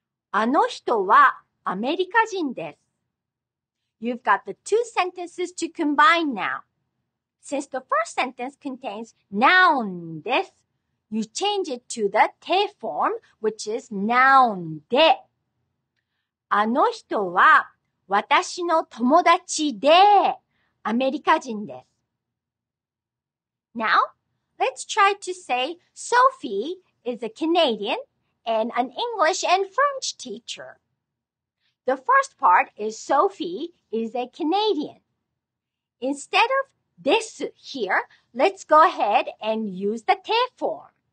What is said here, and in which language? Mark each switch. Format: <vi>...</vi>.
<ja>あの人はアメリカ人です.</ja> <en>You've got the two sentences to combine now. Since the first sentence contains noun です, you change it to the te form, which is noun で.</en> <ja>あの人は私の友達でアメリカ人です。</ja> <en>Now, let's try to say Sophie is a Canadian and an English and French teacher. The first part is Sophie is a Canadian. Instead of です here, let's go ahead and use the te form.</en>